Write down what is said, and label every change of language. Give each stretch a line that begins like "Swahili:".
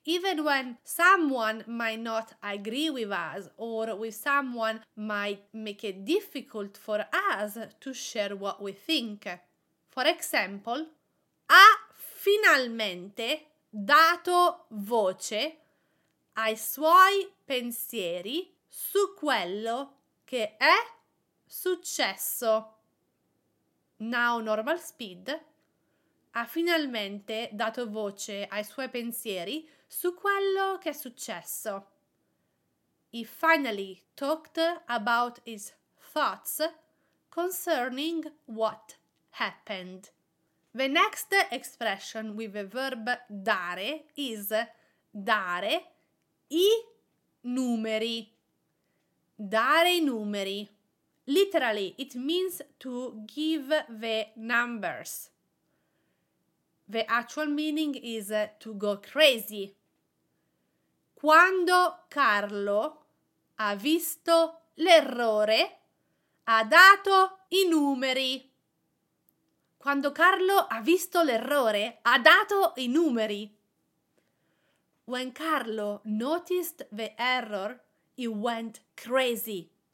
English: Even when someone might not agree with us or with someone might make it difficult for us to share what we think. For example,
Italian: ha finalmente dato voce ai suoi pensieri su quello che è successo.
English: Now normal speed.
Italian: Ha finalmente dato voce ai suoi pensieri su quello che è successo.
English: He finally talked about his thoughts concerning what happened. The next expression with the verb dare is
Italian: dare i numeri. Dare i numeri.
English: Literally, it means to give the numbers. The actual meaning is to go crazy.
Italian: Quando Carlo ha visto l'errore, ha dato i numeri. Quando Carlo ha visto l'errore, ha dato i numeri.
English: When Carlo noticed the error, he went crazy.